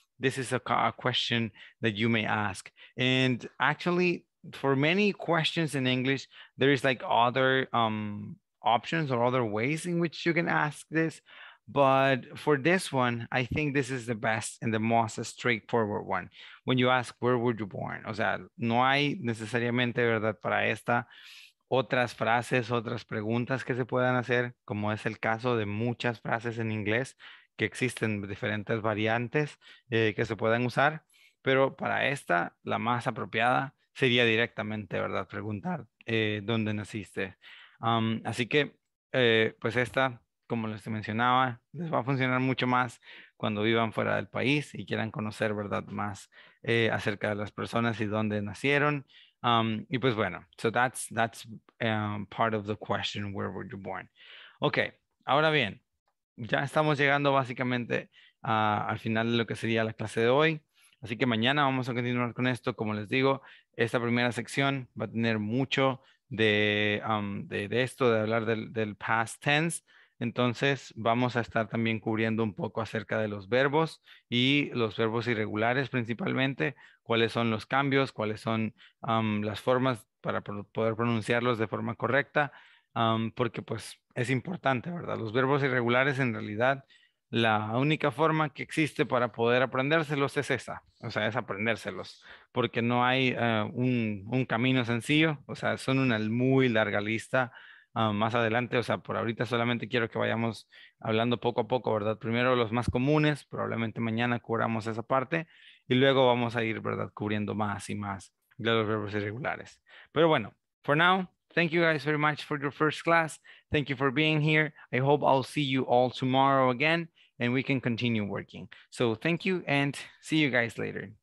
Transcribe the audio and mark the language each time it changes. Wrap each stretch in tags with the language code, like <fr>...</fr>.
<en>This is a question that you may ask, and actually for many questions in English there is like other options or other ways in which you can ask this. But for this one, I think this is the best and the most straightforward one. When you ask, where were you born?</en> <es>O sea, no hay necesariamente, verdad, para esta, otras frases, otras preguntas que se puedan hacer, como es el caso de muchas frases en inglés, que existen diferentes variantes que se puedan usar. Pero para esta, la más apropiada sería directamente, verdad, preguntar dónde naciste. Así que, pues esta, como les mencionaba, les va a funcionar mucho más cuando vivan fuera del país y quieran conocer, ¿verdad?, más acerca de las personas y dónde nacieron. Y pues bueno,</es> <en>so that's part of the question, where were you born?</en> <es>Okay, ahora bien, ya estamos llegando básicamente al final de lo que sería la clase de hoy. Así que mañana vamos a continuar con esto. Como les digo, esta primera sección va a tener mucho de esto, de hablar del past tense. Entonces vamos a estar también cubriendo un poco acerca de los verbos y los verbos irregulares principalmente, cuáles son los cambios, cuáles son las formas para poder pronunciarlos de forma correcta, porque pues es importante, ¿verdad? Los verbos irregulares en realidad la única forma que existe para poder aprendérselos es esa, o sea, es aprendérselos, porque no hay un camino sencillo, o sea, son una muy larga lista. Más adelante, o sea, por ahorita solamente quiero que vayamos hablando poco a poco, ¿verdad? Primero los más comunes, probablemente mañana cubramos esa parte, y luego vamos a ir, ¿verdad?, cubriendo más y más de los verbos irregulares. Pero bueno,</es> <en>for now, thank you guys very much for your first class. Thank you for being here. I hope I'll see you all tomorrow again, and we can continue working. So thank you, and see you guys later.</en>